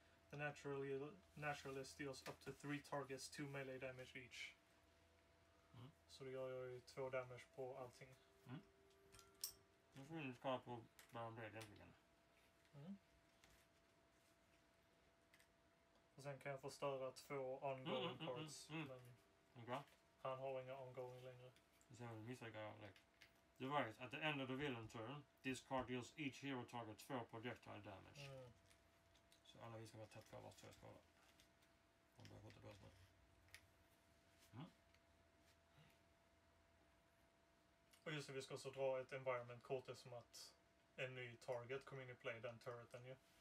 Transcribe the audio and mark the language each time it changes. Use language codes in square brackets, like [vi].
[en] The naturalist deals up to 3 targets, 2 melee damage each. Mm. [sv] Så det gör jag ju 2 damage på allting. Mm. Jag tror du ska ha på bara det egentligen. Mm. Och sen kan jag förstöra 2 ongoing cards, men okay. Han har inga ongoing längre. Så jag missar jag direkt. [en] Right, at the end of the villain turn, this card deals each hero target 2 projectile damage. Mm. [sv] Så alla vi ska vara tätt för vart 2 skador. Man börjar skjuta på oss nu. Och just det, vi ska också dra ett environment kort som att en ny target kom in i play, den turreten ju.